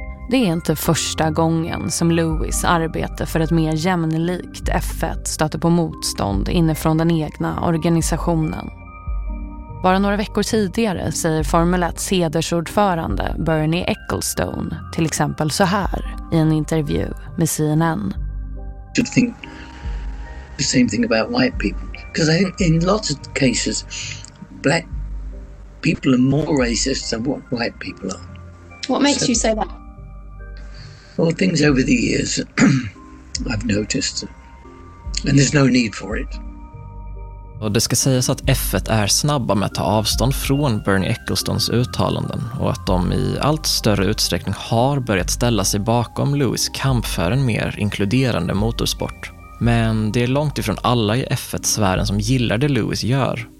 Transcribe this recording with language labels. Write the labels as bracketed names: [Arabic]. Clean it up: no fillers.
[Swedish] Det är inte första gången som Lewis arbetar för ett mer jämlikt F1 stöter på motstånd inifrån den egna organisationen. Bara några veckor tidigare säger Formel 1:s hedersordförande Bernie Ecclestone till exempel så här i en intervju med CNN. [English] Should think the same thing about white people because I think in lots of cases black people are more racist than what white people are. What makes you say that? Well, things over the years I've noticed and there's no need for it. [Swedish] Och det ska sägas att F1 är snabba med att ta avstånd från Bernie Ecclestones uttalanden och att de i allt större utsträckning har börjat ställa sig bakom Lewis kamp för en mer inkluderande motorsport. Men det är långt ifrån alla i F1-sfären som gillar det Lewis gör.